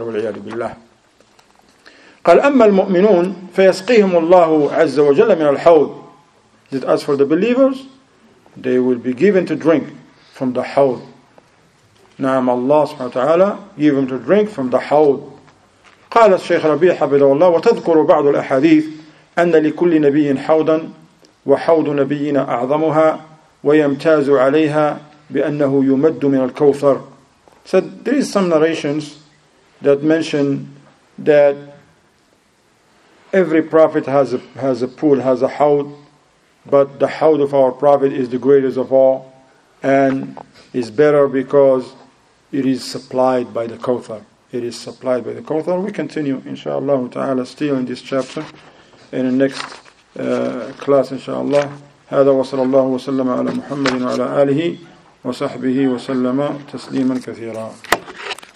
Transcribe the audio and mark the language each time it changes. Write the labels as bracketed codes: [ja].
[ar] وَالْعِيَادُ بِاللَّهِ. قَالْ أَمَّا الْمُؤْمِنُونَ فَيَسْقِيهِمُ اللَّهُ عَزَّ وَجَلَّ مِنَ الْحَوْضِ. [en] That as for the believers, they will be given to drink from the Hawd. Naam, Allah subhanahu wa ta'ala give them to drink from the Hawd. [ar] قال الشيخ ربيع حفظه الله وتذكر بعض الأحاديث أن لكل نبي حوضا وحوض نبينا أعظمها ويمتاز عليها بأنه يمد من الكوثر. [en] So there is some narrations that mention that every prophet has a pool, has a Hawd. But the Hawd of our Prophet is the greatest of all and is better because it is supplied by the Kawthar. It is supplied by the Kawthar. We continue, inshallah ta'ala, still in this chapter in the next class, inshallah. [ar] هذا وصلى الله وسلم على محمد وعلى آله وصحبه وسلم تسليما كثيرا.